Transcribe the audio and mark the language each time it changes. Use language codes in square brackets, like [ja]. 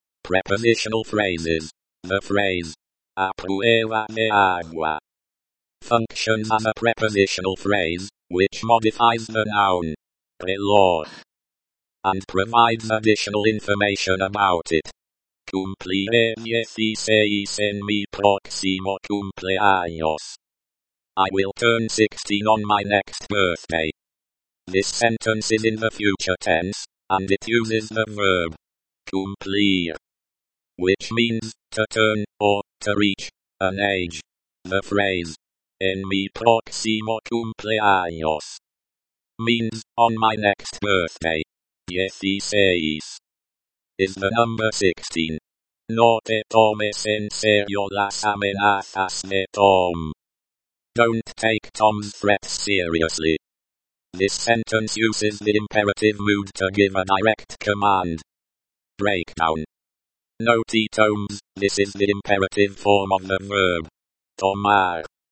[en] Prepositional phrases. The phrase, a prueba de agua, functions as a prepositional phrase, which modifies the noun, [es] reloj, [en] and provides additional information about it. [es] Cumpleañeces en mi próximo cumpleaños. [en] I will turn 16 on my next birthday. This sentence is in the future tense, and it uses the verb [es] cumplir, [en] which means to turn, or to reach, an age. The phrase [es] en mi próximo cumpleaños [en] means on my next birthday. 16 is the number 16. [es] No te tomes en serio las amenazas de Tom. [en] Don't take Tom's threats seriously. This sentence uses the imperative mood to give a direct command. Breakdown. No te tomes, this is the imperative form of the verb. [es] Tomar.